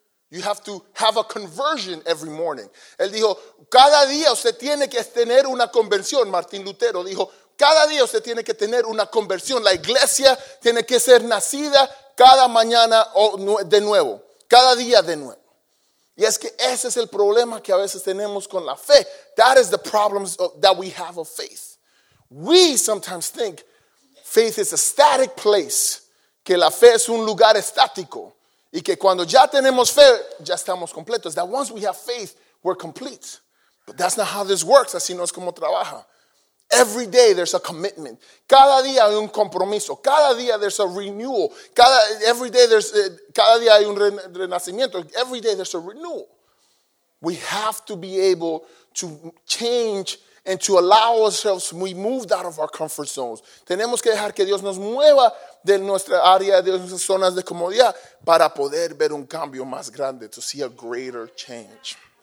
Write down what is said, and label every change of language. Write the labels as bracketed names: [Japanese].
[English] You have to have a conversion every morning. [Spanish] Él dijo, cada día usted tiene que tener una conversión. Martin Lutero dijo, cada día usted tiene que tener una conversión. La iglesia tiene que ser nacida cada mañana de nuevo, cada día de nuevo. Y es que ese es el problema que a veces tenemos con la fe. [English] That is the problems that we have of faith. We sometimes think faith is a static place, [Spanish] que la fe es un lugar estático, y que cuando ya tenemos fe, ya estamos completos. [English] That once we have faith, we're complete. But that's not how this works. [Spanish] Así no es como trabaja. [English] Every day there's a commitment. [Spanish] Cada día hay un compromiso. Cada día [English] there's a renewal. [Spanish] Cada día hay un renacimiento. [English] Every day there's a renewal. We have to be able to change and to allow ourselves to be moved out of our comfort zones. [Spanish] Tenemos que dejar que Dios nos mueva de nuestra área, de nuestras zonas de comodidad, para poder ver un cambio más grande, [English] to see a greater change.